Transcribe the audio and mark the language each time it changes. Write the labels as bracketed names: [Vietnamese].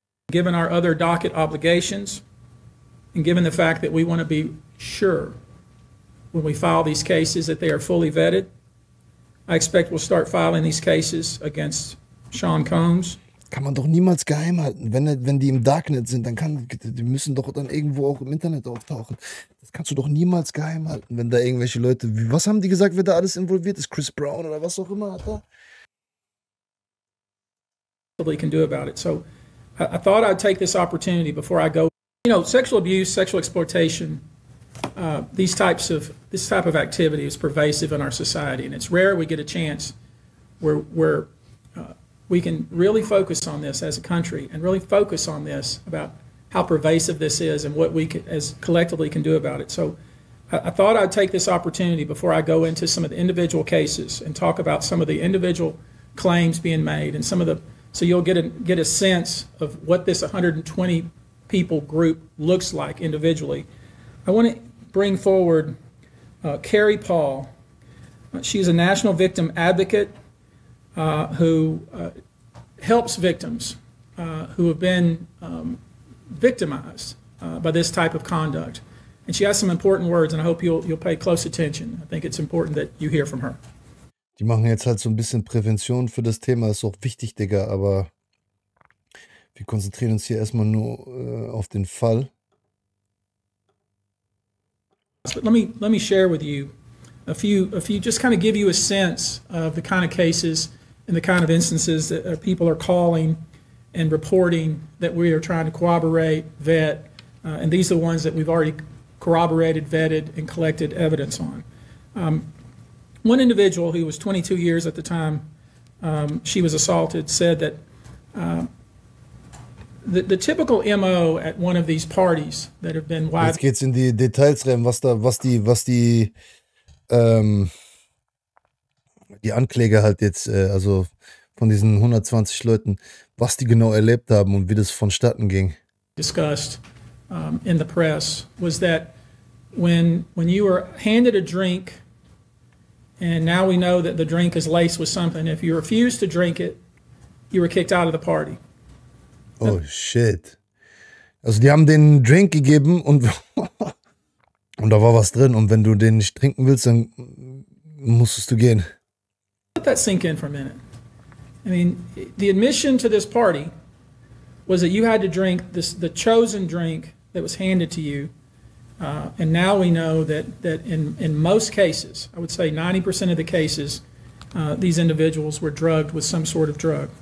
[English] Given our other docket obligations and given the fact that we want to be sure when we file these cases that they are fully vetted, I expect we'll start filing these cases against Sean Combs. [German] Kann man doch niemals geheim halten. Wenn die im Darknet sind, dann kann, die müssen doch dann irgendwo auch im Internet auftauchen. Das kannst du doch niemals geheim halten, wenn da irgendwelche Leute, was haben die gesagt, wer da alles involviert ist? Chris Brown oder was auch immer hat er? [English] They can do about it. So I thought I'd take this opportunity before I go. You know, sexual abuse, sexual exploitation, this type of activity is pervasive in our society, and it's rare we get a chance where we can really focus on this as a country and really focus on this about how pervasive this is and what we as collectively can do about it. So I thought I'd take this opportunity before I go into some of the individual cases and talk about some of the individual claims being made and some of the, so you'll get a sense of what this 120 people group looks like individually. I want to bring forward Carrie Paul. She's a national victim advocate who helps victims who have been victimized by this type of conduct. And she has some important words, and I hope you'll pay close attention. I think it's important that you hear from her. [German] Die machen jetzt halt so ein bisschen Prävention für das Thema, ist auch wichtig, Digga, aber wir konzentrieren uns hier erstmal nur auf den Fall. [English] But let me share with you a few, just kind of give you a sense of the kind of cases and the kind of instances that people are calling and reporting that we are trying to corroborate, vet, and these are the ones that we've already corroborated, vetted, and collected evidence on. One individual who was 22 years at the time she was assaulted said that the typical MO at one of these parties that have been [German] wide. Jetzt geht's in die Details rein, was die Ankläger halt jetzt, also von diesen 120 Leuten, was die genau erlebt haben und wie das vonstatten ging. [English] Discussed in the press was that when you were handed a drink, and now we know that the drink is laced with something, if you refused to drink it, you were kicked out of the party. Oh shit. [German] Also die haben den Drink gegeben und und da war was drin und wenn du den nicht trinken willst, dann musstest du gehen. [English] Let that sink in for a minute. I mean, the admission to this party was that you had to drink this, the chosen drink that was handed to you. And now we know that in most cases, I would say 90% of the cases, these individuals were drugged with some sort of drug.